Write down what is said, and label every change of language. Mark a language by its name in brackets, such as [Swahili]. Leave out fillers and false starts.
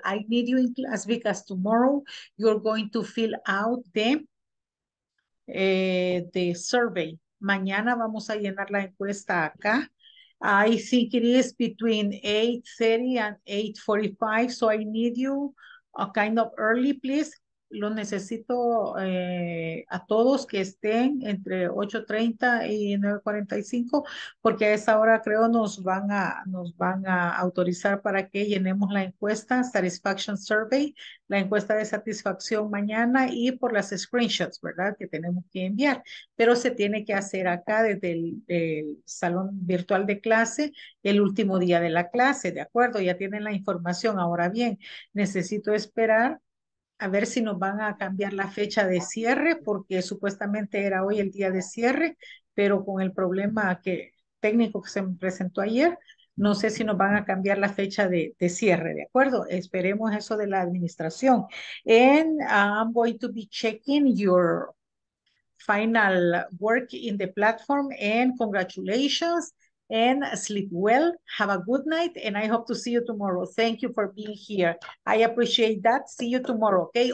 [English] I need you in class because tomorrow you're going to fill out the survey. [Spanish] Mañana vamos a llenar la encuesta acá. [English] I think it is between 8:30 and 8:45. So I need you a kind of early, please. [Spanish] Lo necesito a todos que estén entre 8:30 y 9:45, porque a esa hora creo nos van a autorizar para que llenemos la encuesta, Satisfaction Survey, la encuesta de satisfacción mañana y por las screenshots, ¿verdad?, que tenemos que enviar. Pero se tiene que hacer acá desde el salón virtual de clase el último día de la clase, ¿de acuerdo? Ya tienen la información. Ahora bien, necesito esperar a ver si nos van a cambiar la fecha de cierre, porque supuestamente era hoy el día de cierre, pero con el problema técnico que se me presentó ayer, no sé si nos van a cambiar la fecha de cierre, ¿de acuerdo? Esperemos eso de la administración. [English] And I'm going to be checking your final work in the platform, and congratulations, and sleep well, have a good night, and I hope to see you tomorrow. Thank you for being here. I appreciate that. See you tomorrow, okay?